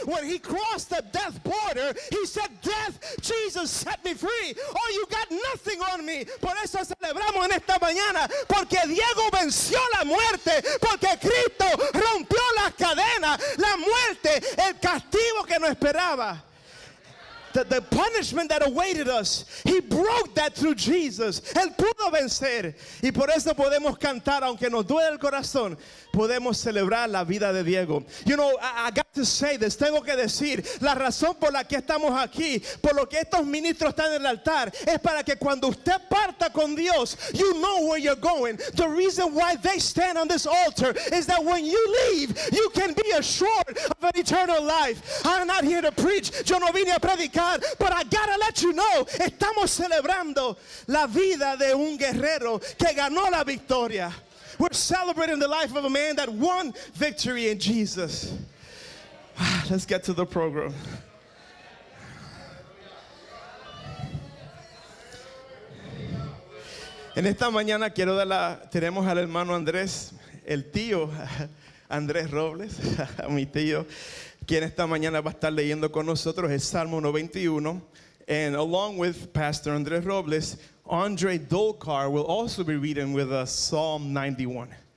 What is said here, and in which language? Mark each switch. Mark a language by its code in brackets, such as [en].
[en] When he crossed the death border, he said, death, Jesus set me free. Oh, you got nothing on me. [es] Por eso celebramos en esta mañana, porque Diego venció la muerte, porque Cristo rompió las cadenas, la muerte, el castigo que nos esperaba. [en] The punishment that awaited us, he broke that through Jesus. [es] Él pudo vencer. Y por eso podemos cantar, aunque nos duele el corazón, podemos celebrar la vida de Diego. [en] You know, I got to say this, [es] tengo que decir, la razón por la que estamos aquí, por lo que estos ministros están en el altar, es para que cuando usted parta con Dios, [en] you know where you're going. The reason why they stand on this altar is that when you leave, you can be assured of an eternal life. I'm not here to preach, [es] yo no vine a predicar, [en] but I gotta let let you know, [es] estamos celebrando la vida de un guerrero que ganó la victoria. [en] We're celebrating the life of a man that won victory in Jesus. Let's get to the program. [es] En esta mañana quiero dar la, tenemos al hermano Andrés, el tío Andrés Robles, mi tío, quien esta mañana va a estar leyendo con nosotros el Salmo 91. [en] And along with Pastor Andrés Robles, Andre Dolcar will also be reading with us Psalm 91.